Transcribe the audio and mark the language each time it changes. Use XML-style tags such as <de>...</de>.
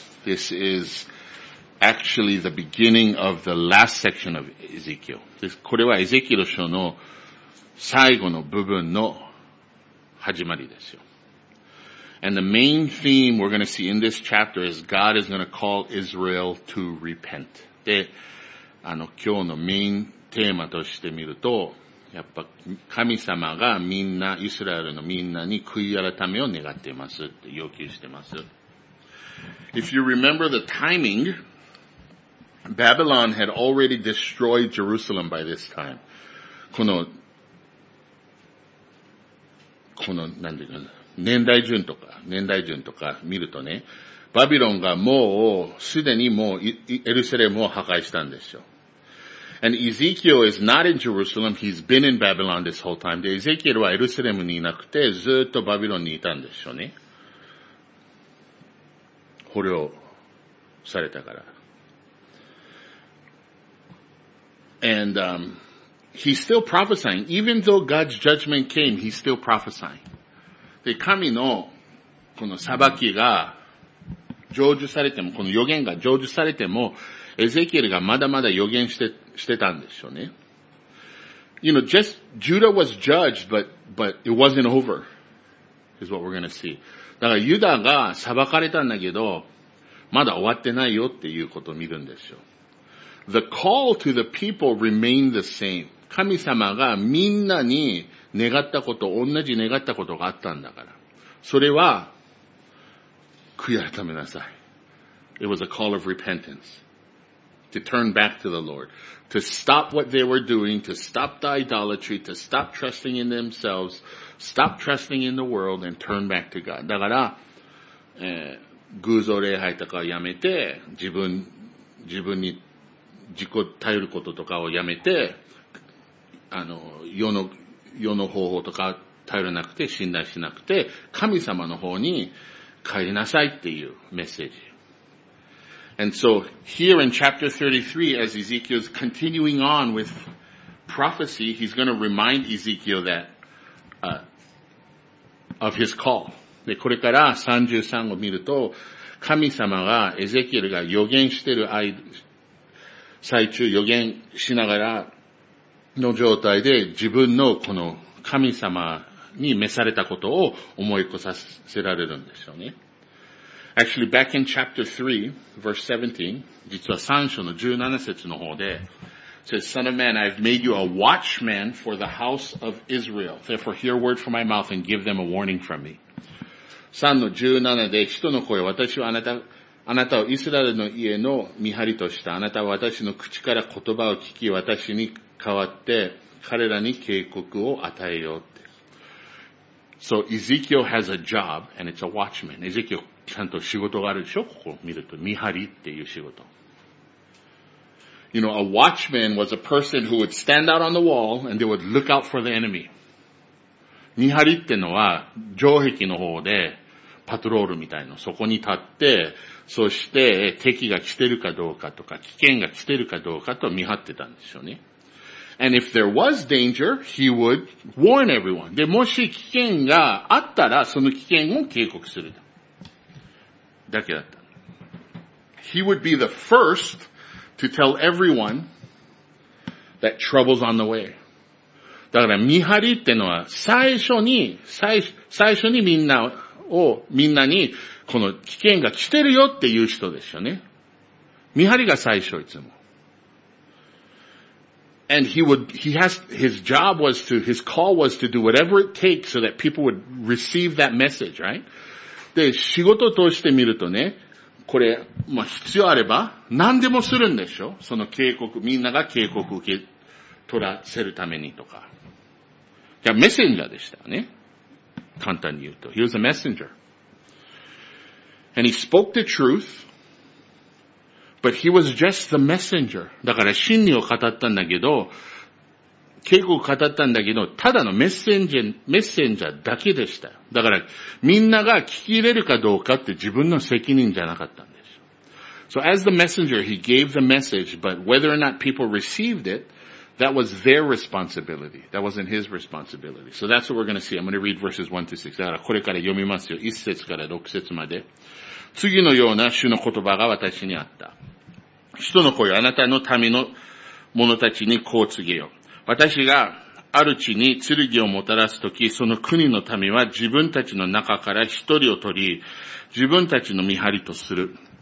<en>This is actually the beginning of the last section of Ezekiel.</en> <ja>これはエゼキエル書の最後の部分の始まりですよ。</ja> <en>And the main theme we're going to see in this chapter is God is going to call Israel to repent.</en> <ja>で、今日のメインテーマとして見ると、やっぱ神様がみんな、イスラエルのみんなに悔い改めを願っています。要求しています。</ja> <en>If you remember the timing, Babylon had already destroyed Jerusalem by this time.</en> <ja>この、なんていうかな。年代順とか見るとね、バビロンがもうすでにもうエルサレムを破壊したんですよ。</ja> <en>And Ezekiel is not in Jerusalem. He's been in Babylon this whole time.</en> <ja>で、エゼキエルはエルサレムにいなくてずっとバビロンにいたんですよね。捕虜されたから。</ja> <en>And, he's still prophesying. Even though God's judgment came, he's still prophesying.</en> <ja>で、神のこの裁きが成就されても、この予言が成就されても、エゼキエルがまだまだ予言してたんですよね。</ja> <en>You know, just, Judah was judged, but it wasn't over, is what we're gonna see.</en> <ja>だからユダが裁かれたんだけど、まだ終わってないよっていうことを見るんですよ。</ja> <en>The call to the people remained the same.</en> <ja>神様がみんなに願ったこと、同じ願ったことがあったんだから。それは、悔い改めなさい。</ja> <en>It was a call of repentance. To turn back to the Lord. To stop what they were doing, to stop the idolatry, to stop trusting in themselves, stop trusting in the world, and turn back to God.</en> <ja>だから、偶像礼拝とかをやめて、自分に自己頼ることとかをやめて、世の方法とか頼らなくて、信頼しなくて、神様の方に帰りなさいっていうメッセージ。</ja> <en>And so, here in chapter 33, as Ezekiel is continuing on with prophecy, he's going to remind Ezekiel that, of his call.</en> <ja>で、これから33を見ると、神様が、エゼキエルが予言してる最中、予言しながら、の状態で自分のこの神様に召されたことを思い起こさせられるんですよね。</ja> <en>Actually, back in chapter 3, verse 17,</en> <ja>実は3章の17節の方で、</ja> <en>says, Son of man, I've made you a watchman for the house of Israel. Therefore, hear word from my mouth and give them a warning from me.</en> <ja>3の17で、人の声、私はあなたをイスラエルの家の見張りとした。あなたは私の口から言葉を聞き、私に変わって彼らに警告を与えようって。</ja> <en>So Ezekiel has a job and it's a watchman. Ezekiel</en> <ja>ちゃんと仕事があるでしょ？ここ見ると見張りっていう仕事。</ja> <en>You know, a watchman was a person who would stand out on the wall and they would look out for the enemy.</en> <ja>見張りってのは城壁の方でパトロールみたいな。そこに立って、そして敵が来てるかどうかとか危険が来てるかどうかと見張ってたんですよね。</ja> <en>And if there was danger, he would warn everyone.</en> <ja>で、もし危険があったら、その危険を警告する。だけだった。</ja> <en>He would be the first to tell everyone that trouble's on the way.</en> <ja>だから、見張りってのは、最初にみんなに、この危険が来てるよっていう人ですよね。見張りが最初、いつも。</ja> <en>And his call was to do whatever it takes so that people would receive that message, right?</en> <ja>で、仕事としてみるとね、これ、まあ、必要あれば、何でもするんでしょ？その警告、みんなが警告受け取らせるためにとか。いや、メッセンジャーでしたよね。簡単に言うと。</ja> <en>He was a messenger. And he spoke the truth. But he was just the messenger.</en> <ja>だから真理を語ったんだけど、警告を語ったんだけど、ただのメッセンジャーだけでした。だから、みんなが聞き入れるかどうかって自分の責任じゃなかったんです。</ja> <en>So as the messenger, he gave the message, but whether or not people received it, that was their responsibility. That wasn't his responsibility. So that's what we're going to see. I'm going to read verses 1 to 6.</en> <ja>だからこれから読みますよ。1節から6節まで。次のような主の言葉が私にあった。人の声、あなたの民の者たちにこう告げよ。私がある地に剣をもたらすとき、その国の民は自分たちの中から一人を取り、自分たちの見張りとする。</ja>